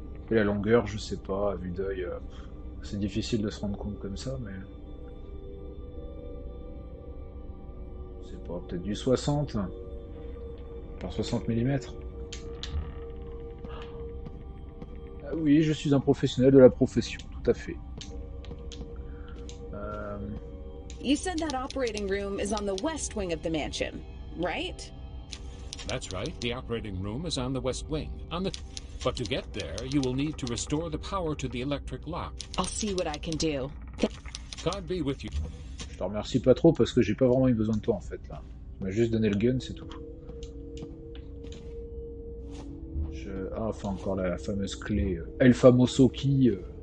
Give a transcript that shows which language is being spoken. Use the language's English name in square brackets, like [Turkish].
[French] Et la longueur, je sais pas, à vue d'œil, c'est difficile de se rendre compte comme ça, mais. C'est pas peut-être du 60 par 60 mm. Ah oui, je suis un professionnel de la profession, tout à fait. [English] You said that operating room is on the west wing of the mansion, right? That's right. The operating room is on the west wing. But to get there, you will need to restore the power to the electric lock. I'll see what I can do. God be with you. [French] Je te remercie pas trop parce que j'ai pas vraiment eu besoin de toi en fait là. Tu m'as juste donné le gun, c'est tout. Ah, enfin encore la fameuse clé. [Spanish] El famoso [French] key.